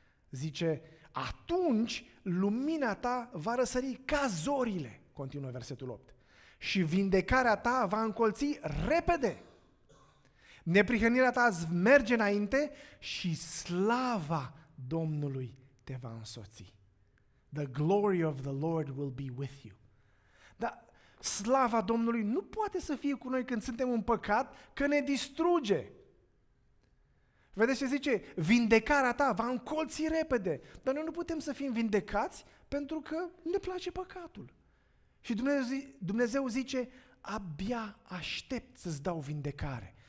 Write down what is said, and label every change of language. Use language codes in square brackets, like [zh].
[ro] Zice, atunci lumina ta va răsări ca zorile, continuă versetul 8, și vindecarea ta va încolți repede. Neprihănirea ta îți merge înainte și slava Domnului te va însoți. [en] The glory of the Lord will be with you. [ro] Dar slava Domnului nu poate să fie cu noi când suntem în păcat, că ne distruge. Vedeți ce zice? Vindecarea ta va încolți repede. Dar noi nu putem să fim vindecați pentru că ne place păcatul. Și Dumnezeu zice, abia aștept să-ți dau vindecare.